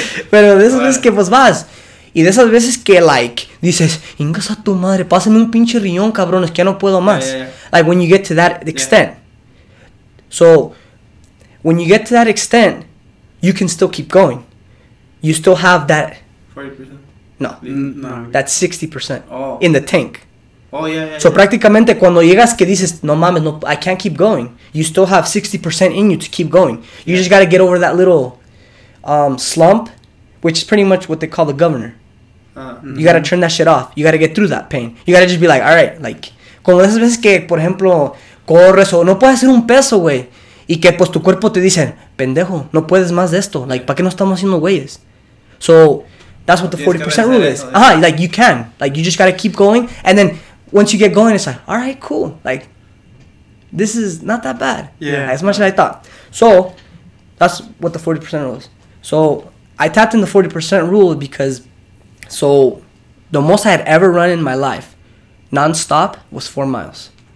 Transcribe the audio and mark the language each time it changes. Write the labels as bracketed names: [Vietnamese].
[Spanish] Pero de esas veces que pues vas... Y de esas veces que, like, dices, ingas a tu madre, pásame un pinche riñón, cabrón, es que ya no puedo más. [English] Yeah. Like, when you get to that extent. Yeah. So, when you get to that extent, you can still keep going. You still have that... 40%? No. That's 60% in the tank. Yeah. [Spanish] Prácticamente, cuando llegas que dices, no mames, no, [English] I can't keep going. You still have 60% in you to keep going. You just gotta get over that little slump. Which is pretty much what they call the governor. You gotta turn that shit off. You gotta get through that pain. You gotta just be like, all right, like, [Spanish] como esas veces que, por ejemplo, corres o no puedes hacer un peso, güey, y que pues tu cuerpo te dicen, pendejo, no puedes más de esto. Like, ¿para qué no estamos haciendo güeyes? [English] So that's what the 40% rule is. Ah, like, you can, like, you just gotta keep going, and then once you get going, it's like, all right, cool, like, this is not that bad. Yeah, as much as I thought. So that's what the 40% rule is. So I tapped in the 40% rule because, so, the most I had ever run in my life, nonstop, was 4 miles.